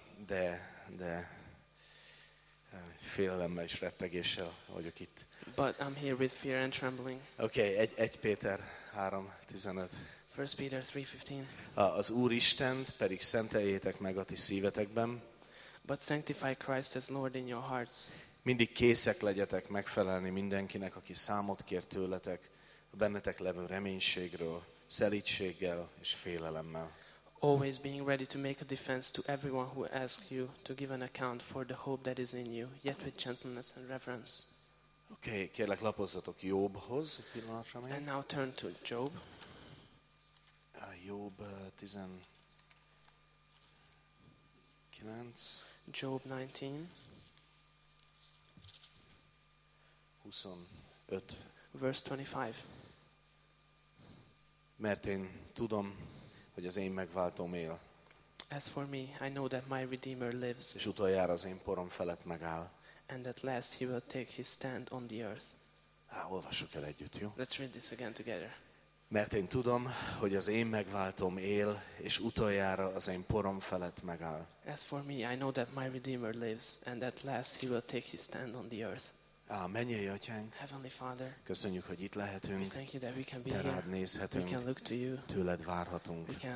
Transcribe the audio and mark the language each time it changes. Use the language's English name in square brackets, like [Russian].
[Hungarian] De félelemmel és rettegéssel vagyok itt. [English] But I'm here with fear and trembling. [Hungarian] Okay, 1 Péter 3, 15. [English] 1 Peter 3, 15. [Hungarian] Az Úr Istent pedig szenteljétek meg a ti szívetekben. [English] But sanctify Christ as Lord in your hearts. [Hungarian] Mindig készek legyetek megfelelni mindenkinek, aki számot kér tőletek, a bennetek levő reménységről, szelídséggel és félelemmel. [English] Always being ready to make a defense to everyone who asks you to give an account for the hope that is in you, yet with gentleness and reverence. [Hungarian] Okay, kérlek lapozzatok Jobhoz, egy pillanatra még. [English] And now turn to Job. [Hungarian] Job 19. [English] Job 19. 25. Verse 25. [Hungarian] Mert én tudom, hogy az én megváltóm él. [English] As for me, I know that my Redeemer lives. [Hungarian] És utoljára az én porom felett megáll. [English] And at last he will take his stand on the earth. [Hungarian] Olvassuk el együtt, jó? [English] Let's read this again together. [Hungarian] Mert én tudom, hogy az én megváltóm él, és utoljára az én porom felett megáll. [English] As for me, I know that my Redeemer lives, and at last he will take his stand on the earth. [Hungarian] Mennyei Atyánk, köszönjük, hogy itt lehetünk, te rád nézhetünk, tőled várhatunk.